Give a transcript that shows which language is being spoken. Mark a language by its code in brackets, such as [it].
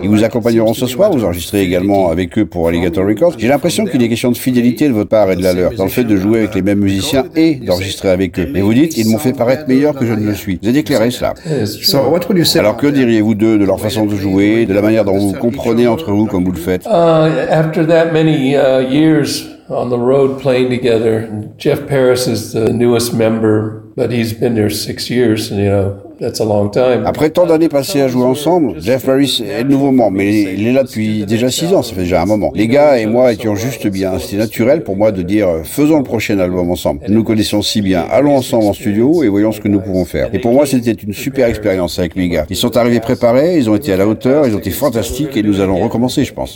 [fr] Ils vous accompagneront ce soir, vous enregistrez également avec eux pour Alligator Records. J'ai l'impression qu'il est question de fidélité de votre part et de la leur, dans le fait de jouer avec les mêmes musiciens et d'enregistrer avec eux. Mais vous dites, ils m'ont fait paraître meilleur que je ne le suis. Vous avez éclairé cela. Alors que diriez-vous d'eux, de leur façon de jouer, de la manière dont vous comprenez entre vous comme vous le faites? [en] After that many years on the road playing together, Jeff Paris is the newest member, but he's been there 6 years, you know. That's a long time. [fr] Après tant d'années passées à jouer ensemble, Jeff Perry est le nouveau membre, mais il est là depuis déjà 6 ans, ça fait déjà un moment. Les gars et moi étions juste bien, c'était naturel pour moi de dire faisons le prochain album ensemble. Nous connaissons si bien, allons ensemble en studio et voyons ce que nous pouvons faire. Et pour moi c'était une super expérience avec les gars. Ils sont arrivés préparés, ils ont été à la hauteur, ils ont été fantastiques et nous allons recommencer je pense.